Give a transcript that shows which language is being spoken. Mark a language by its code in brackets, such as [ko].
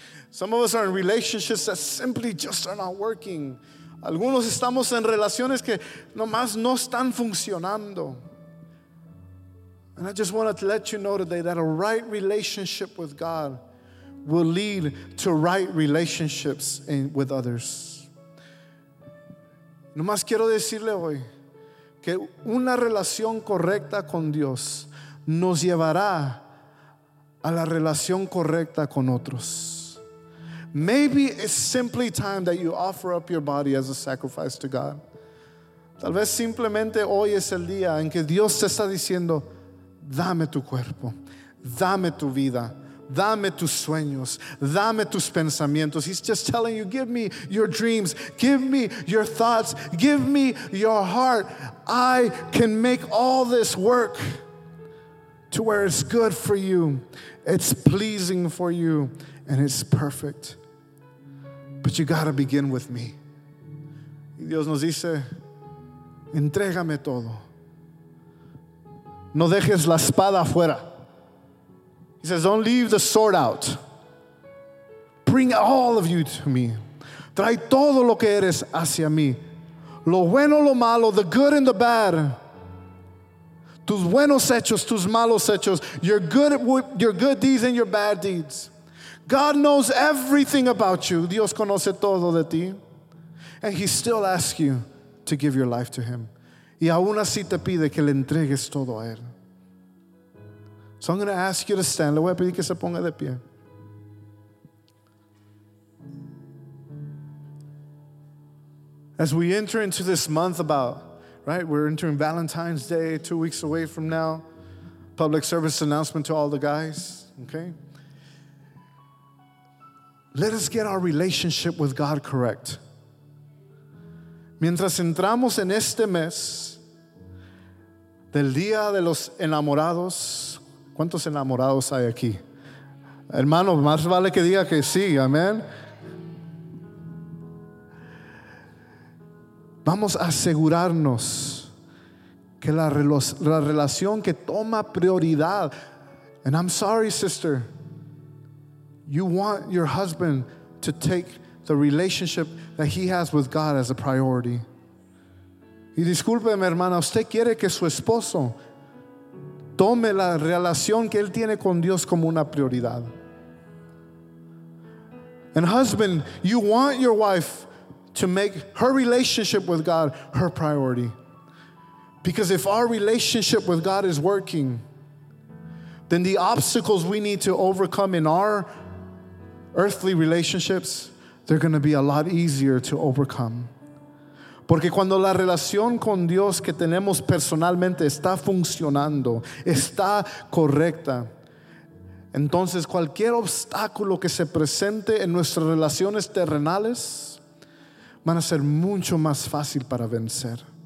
[en] Some of us are in relationships that simply just are not working. [es] Algunos estamos en relaciones que nomás no están funcionando. [en] And I just wanted to let you know today that a right relationship with God will lead to right relationships with others. [es] Nomás quiero decirle hoy que una relación correcta con Dios nos llevará a la relación correcta con otros. [en] Maybe it's simply time that you offer up your body as a sacrifice to God. [es] Tal vez simplemente hoy es el día en que Dios te está diciendo, dame tu cuerpo, dame tu vida, Dame tus sueños. Dame tus pensamientos. [en] He's just telling you, give me your dreams. Give me your thoughts. Give me your heart. I can make all this work to where it's good for you. It's pleasing for you. And it's perfect. But you got to begin with me. [es] Y Dios nos dice, entrégame todo. No dejes la espada afuera. [en] He says, don't leave the sword out. Bring all of you to me. [es] Trae todo lo que eres hacia mí. Lo bueno, lo malo, [en] the good and the bad. [es] Tus buenos hechos, tus malos hechos. [en] Your good deeds and your bad deeds. God knows everything about you. [es] Dios conoce todo de ti. [en] And he still asks you to give your life to him. [es] Y aún así te pide que le entregues todo a él. [en] So I'm going to ask you to stand. [es] Le voy a pedir que se ponga de pie. [en] As we enter into this month about, right, we're entering Valentine's Day, 2 weeks away from now. Public service announcement to all the guys, okay? Let us get our relationship with God correct. [es] Mientras entramos en este mes del Día de los Enamorados, ¿cuántos enamorados hay aquí? Hermano, más vale que diga que sí, amén. Vamos a asegurarnos que la relación que toma prioridad, [en] and I'm sorry, sister, you want your husband to take the relationship that he has with God as a priority. [es] Y discúlpeme, hermana, usted quiere que su esposo tome la relación que él tiene con Dios como una prioridad. [en] And husband, you want your wife to make her relationship with God her priority. Because if our relationship with God is working, then the obstacles we need to overcome in our earthly relationships, they're going to be a lot easier to overcome. [es] Porque cuando la relación con Dios que tenemos personalmente está funcionando, está correcta, entonces cualquier obstáculo que se presente en nuestras relaciones terrenales van a ser mucho más fácil para vencer.